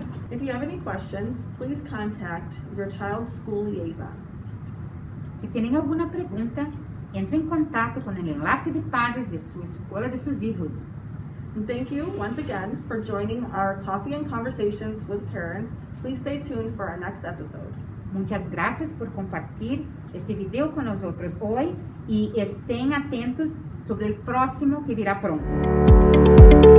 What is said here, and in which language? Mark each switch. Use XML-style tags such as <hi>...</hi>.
<en>If you have any questions, please contact your child's school liaison.</en> <es>Si tienen alguna pregunta, entre en contacto con el enlace de padres de su escuela de sus hijos.</es> <en>And thank you once again for joining our Coffee and Conversations with Parents. Please stay tuned for our next episode.</en> <es>Muchas gracias por compartir este video con nosotros hoy, y estén atentos sobre el próximo que virá pronto.</es>